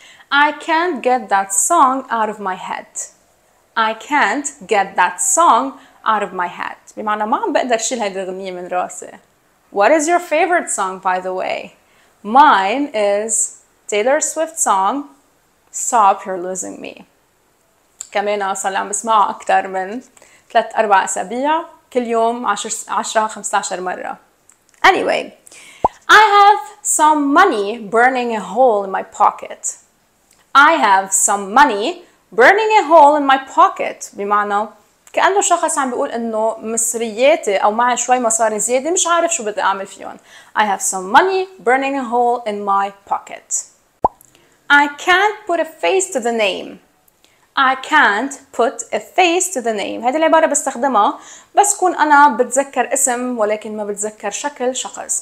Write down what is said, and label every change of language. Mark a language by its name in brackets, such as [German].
[English] I can't get that song out of my head. I can't get that song out of my head. [Arabic] بمعنى ما عم بقدر شيل هيدا الغنية من راسي. [English] What is your favorite song by the way? Mine is Taylor Swift song Stop You're Losing Me. [Arabic] كمان صار عم بسمعه أكتر من 3-4 أسابيع، كل يوم 10-15 مرة. [English] Anyway, I have some money burning a hole in my pocket. I have some money burning a hole in my pocket. [Arabic] بمعنى كأنه شخص عم بيقول إنه مصرياتي أو معي شوي مصاري زيادة مش عارف شو بدي أعمل فيهم. [English] I have some money burning a hole in my pocket. I can't put a face to the name. I can't put a face to the name. [Arabic] هذه العبارة بستخدمها بس كون أنا بتذكر اسم ولكن ما بتذكر شكل شخص.